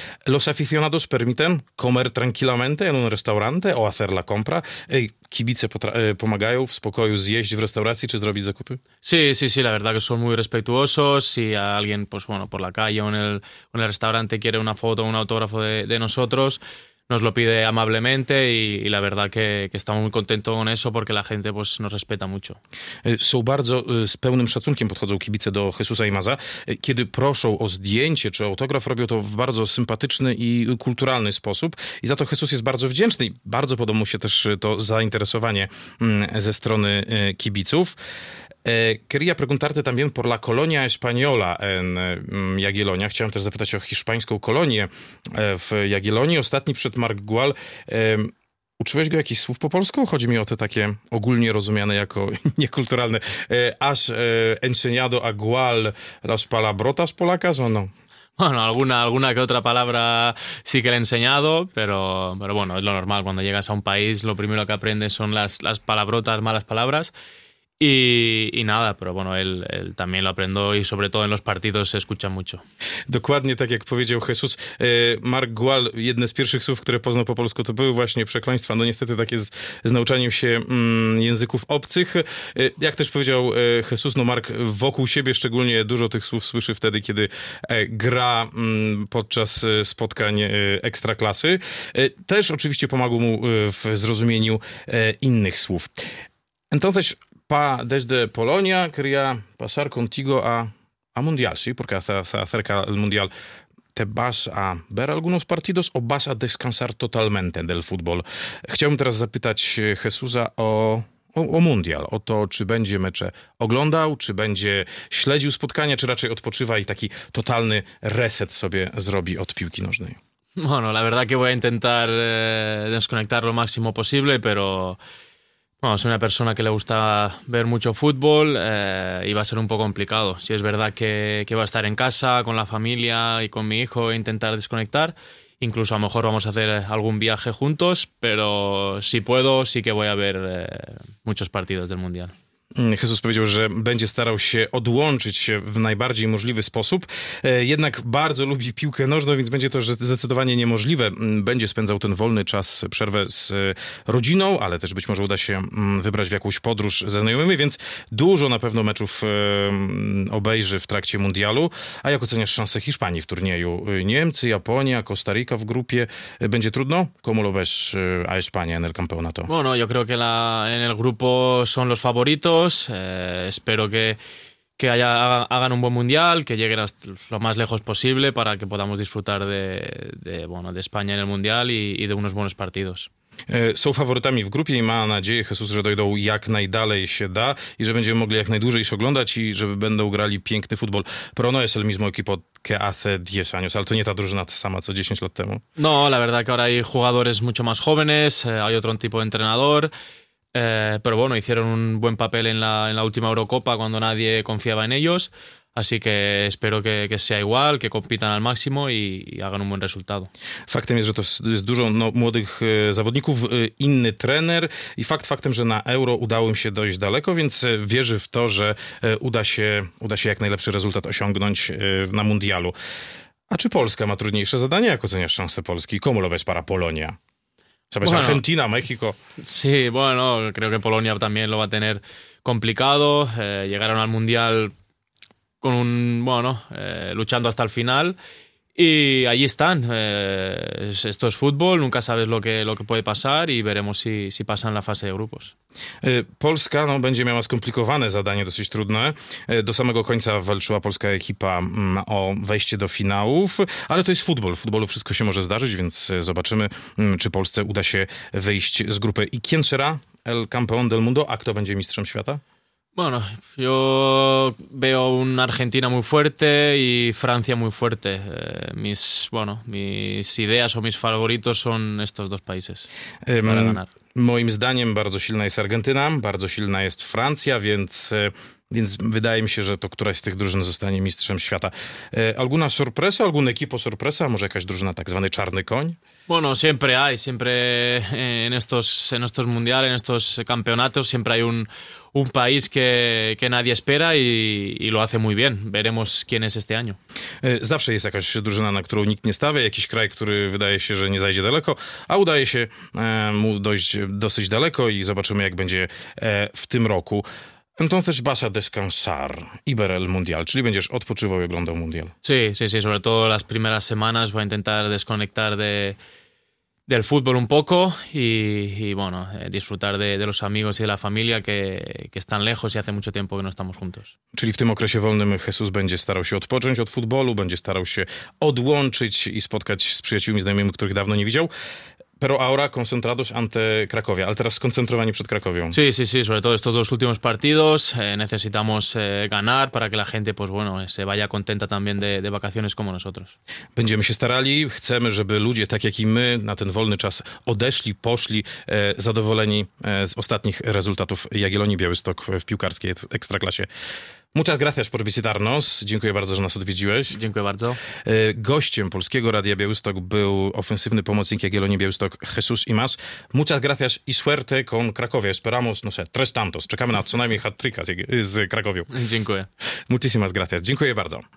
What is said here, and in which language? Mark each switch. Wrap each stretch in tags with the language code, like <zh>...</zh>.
<es>Los aficionados permiten comer tranquilamente en un restaurante o hacer la compra.</es> <pl>Kibice pomagają w spokoju zjeść w restauracji czy zrobić zakupy?</pl> <es>Sí, sí, sí, la verdad que son muy respetuosos. Si alguien pues bueno, por la calle o en el restaurante quiere una foto o un autógrafo de nosotros, nos lo pide amablemente y la verdad que estamos muy contentos con eso porque la gente pues nos respeta mucho.</es> <pl>Są bardzo z pełnym szacunkiem podchodzą kibice do Jesusa i Maza. Kiedy proszą o zdjęcie czy autograf, robią to w bardzo sympatyczny i kulturalny sposób i za to Jesus jest bardzo wdzięczny i bardzo podoba mu się też to zainteresowanie ze strony kibiców.</pl> <es>Quería preguntarte también por la colonia española en Jagiellonia.</es> <pl>Chciałem też zapytać o hiszpańską kolonię w Jagiellonii. Ostatni przed Marc Gual. Uczyłeś go jakichś słów po polsku? Chodzi mi o te takie ogólnie rozumiane jako niekulturalne.</pl> <es>¿Has enseñado a Gual las palabrotas polacas o no? Bueno, alguna que otra palabra sí que le he enseñado, pero bueno, es lo normal. Cuando llegas a un país, lo primero que aprendes son las palabrotas, malas palabras. I nada, pero bueno, él también lo aprendió y sobre todo en los partidos se escucha mucho.</es> <pl>Dokładnie tak jak powiedział Jesus, Marc Gual, jedne z pierwszych słów, które poznał po polsku, to były właśnie przekleństwa. No niestety tak jest z nauczaniem się języków obcych. Jak też powiedział Jesus, no Marc wokół siebie szczególnie dużo tych słów słyszy wtedy, kiedy gra podczas spotkań ekstraklasy. Też oczywiście pomagał mu w zrozumieniu innych słów.</pl> <es>Entonces, desde Polonia quería pasar contigo a Mundial, sí, porque se acerca el Mundial. ¿Te vas a ver algunos partidos o vas a descansar totalmente del fútbol?</es> <pl>Chciałbym teraz zapytać Jesusa o Mundial, o to, czy będzie mecze oglądał, czy będzie śledził spotkania, czy raczej odpoczywa i taki totalny reset sobie zrobi od piłki nożnej.</pl> <es>Bueno, la verdad que voy a intentar desconectar lo máximo posible, pero... Bueno, soy una persona que le gusta ver mucho fútbol y va a ser un poco complicado. Sí, es verdad que va a estar en casa con la familia y con mi hijo e intentar desconectar. Incluso a lo mejor vamos a hacer algún viaje juntos, pero si puedo, sí que voy a ver muchos partidos del Mundial.</es> <pl>Jesus powiedział, że będzie starał się odłączyć się w najbardziej możliwy sposób, jednak bardzo lubi piłkę nożną, więc będzie to zdecydowanie niemożliwe. Będzie spędzał ten wolny czas, przerwę z rodziną, ale też być może uda się wybrać w jakąś podróż ze znajomymi, więc dużo na pewno meczów obejrzy w trakcie Mundialu. A jak oceniasz szansę Hiszpanii w turnieju? Niemcy, Japonia, Costa Rica w grupie? Będzie trudno?</pl> <es>¿Cómo lo ves a España en el campeonato? Bueno, yo creo que en el grupo son los favoritos. ellos. Espero que hagan un buen Mundial, que lleguen lo más lejos posible para que podamos disfrutar de España en el Mundial y de unos buenos partidos.</es> <pl>Są faworytami w grupie i ma nadzieję, Jesus, że dojdą jak najdalej się da i że będziemy mogli jak najdłużej się oglądać i żeby będą grali piękny futbol.</pl> <es>Pero no es el mismo equipo que hace 10 años,</es> <pl>ale to nie ta drużyna ta sama co 10 lat temu.</pl> <es>No, la verdad que ahora hay jugadores mucho más jóvenes, hay otro tipo de entrenador, pero bueno, hicieron un buen papel en la última Eurocopa cuando nadie confiaba en ellos. Así que espero que sea igual, que compitan al máximo i hagan un buen resultado.</es> <pl>Faktem jest, że to jest dużo młodych zawodników, inny trener i faktem, że na Euro udało im się dojść daleko, więc wierzę w to, że uda się jak najlepszy rezultat osiągnąć na Mundialu. A czy Polska ma trudniejsze zadanie, jak oceniasz szanse Polski?</pl> <es>¿Cómo lo ves para Polonia? ¿Sabes, bueno, Argentina, México? Sí, bueno, creo que Polonia también lo va a tener complicado. Llegaron al Mundial con un, bueno, luchando hasta el final y allí están. Esto es fútbol, nunca sabes lo que puede pasar y veremos si pasan la fase de grupos.</es> <pl>Polska no, będzie miała skomplikowane zadanie, dosyć trudne. Do samego końca walczyła polska ekipa o wejście do finałów, ale to jest futbol. W futbolu wszystko się może zdarzyć, więc zobaczymy, czy Polsce uda się wyjść z grupy.</pl> <es>I quién será el campeón del mundo?</es> <pl>A kto będzie mistrzem świata?</pl> <es>Bueno, yo veo una Argentina muy fuerte y Francia muy fuerte. Mis ideas o mis favoritos son estos dos países para ganar.</es> <pl>Moim zdaniem bardzo silna jest Argentyna, bardzo silna jest Francja, więc wydaje mi się, że to któraś z tych drużyn zostanie mistrzem świata.</pl> <es>Alguna sorpresa, algún equipo sorpresa,</es> <pl>może jakaś drużyna, tak zwany czarny koń?</pl> <es>Bueno, siempre hay, siempre en estos mundiales, en estos campeonatos, siempre hay un país que nadie espera i lo hace muy bien. Veremos quién es este año.</es> <pl>Zawsze jest jakaś drużyna, na którą nikt nie stawia, jakiś kraj, który wydaje się, że nie zajdzie daleko, a udaje się mu dojść dosyć daleko i zobaczymy, jak będzie w tym roku.</pl> <es>Entonces vas a descansar y ver el Mundial,</es> <pl>czyli będziesz odpoczywał i oglądał Mundial.</pl> <es>Sí, sobre todo las primeras semanas voy a intentar desconectar del fútbol un poco y bueno, disfrutar de los amigos y de la familia que están lejos y hace mucho tiempo que no estamos juntos.</es> <pl>Czyli w tym okresie wolnym Jesús będzie starał się odpocząć od futbolu, będzie starał się odłączyć i spotkać z przyjaciółmi, znajomymi, których dawno nie widział.</pl> <es>Pero ahora concentrados ante Cracovia.</es> <pl>Ale teraz skoncentrowani przed Cracovią.</pl> <es>Sí, sobre todo estos dos últimos partidos. Necesitamos ganar para que la gente, pues bueno, se vaya contenta también de vacaciones como nosotros.</es> <pl>Będziemy się starali. Chcemy, żeby ludzie, tak jak i my, na ten wolny czas odeszli, poszli zadowoleni z ostatnich rezultatów Jagiellonii Białystok w piłkarskiej ekstraklasie.</pl> <es>Muchas gracias por visitarnos.</es> <pl>Dziękuję bardzo, że nas odwiedziłeś. Dziękuję bardzo. Gościem Polskiego Radia Białystok był ofensywny pomocnik Jagiellonii Białystok Jesús Imaz.</pl> <es>Muchas gracias y suerte con Cracovia. Esperamos, no sé, tres tantos.</es> <pl>Czekamy na co najmniej hat-tricka z Cracovią. Dziękuję.</pl> <es>Muchísimas gracias.</es> <pl>Dziękuję bardzo.</pl>